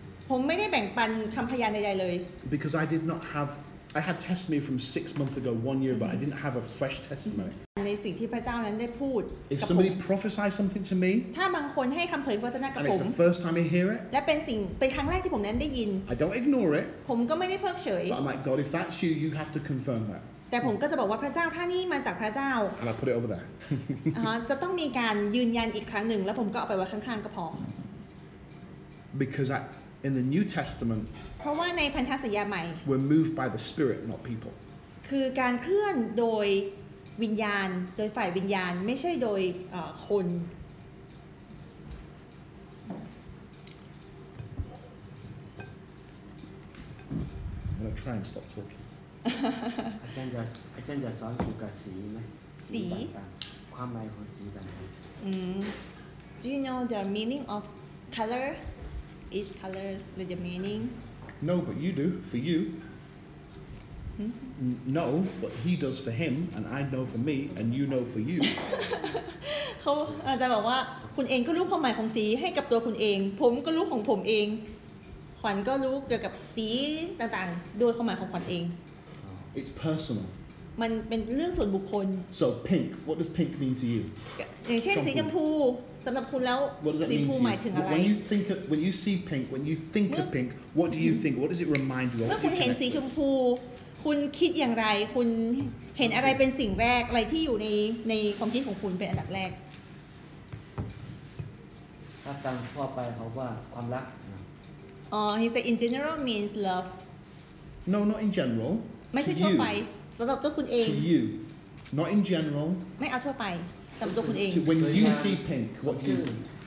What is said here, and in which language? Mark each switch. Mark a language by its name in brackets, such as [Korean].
[Thai] ผมไม่ได้แบ่งปันคำพยานใดๆเลย [English] Because I did not have I had testimony from 6 months ago 1 year but I didn't have a fresh testimony [Thai] ในสิ่งที่พระเจ้านั้นได้พูด [English] If somebody prophesies something to me [Thai] ถ้าบางคนให้คำเผยพระวจนะกับผม [English] And it's the first time I hear it [Thai] และเป็นครั้งแรกที่ผมนั้นได้ยิน [English] I don't ignore it [Thai] ผมก็ไม่ได้เพิกเฉย [English] But I'm like God if that's you have to confirm that [Thai] แต่ผมก็จะบอกว่าพระเจ้าถ้านี่มาจากพระเจ้า [English] And I put it over there [Thai] จะต้องมีการยืนยันอีกครั้งหนึ่งแล้วผมก็เอาไปไว้ข้างๆกระเพาะ [English] Because in the New Testament [Thai] เพราะว่าในพันธสัญญาใหม่ [English] We're moved by the Spirit not people [Thai] คือการเคลื่อนโดยวิญญาณโดยฝ่ายวิญญาณไม่ใช่โดยคน [English] I'm gonna try and stop talking [Thai] อาจารย์จะสอนเกี่ยวกับสีไหม สี ความหมายของสีต่างกัน [English] Do you know the meaning of color? Each color with the meaning? No, but you do for you. No, but he does for him, and I know for me, and you know for you. [Thai] เขาอาจารย์บอกว่าคุณเองก็รู้ความหมายของสีให้กับตัวคุณเองผมก็รู้ของผมเองขวัญก็รู้เกี่ยวกับสีต่างๆโดยความหมายของขวัญเอง [English] It's personal. [Thai] มันเป็นเรื่องส่วนบุคคล [English] So pink, what does pink mean to you? [Thai] อย่างเช่นสีชมพูสำหรับคุณแล้วสี ชมพู หมายถึงอะไร [English] When you think of, when you see pink, when you think of pink, what do you think? What does it remind you of? [Thai] เมื่อคุณเห็นสีชมพูคุณคิดอย่างไรคุณเห็นอะไรเป็นสิ่งแรกอะไรที่อยู่ในความคิดของคุณเป็นอันดับแรก ถ้าตามทั่วไปเขาว่าความรัก [English] He said in general means love. No, not in general. [Thai] ไม่ใช่ทั่วไปสำหรับตัวคุณเอง [English] To you, not in general. [Thai] ไม่เอาทั่วไปสำหรับตัวคุณเอง [English] When you see pink, what do you think?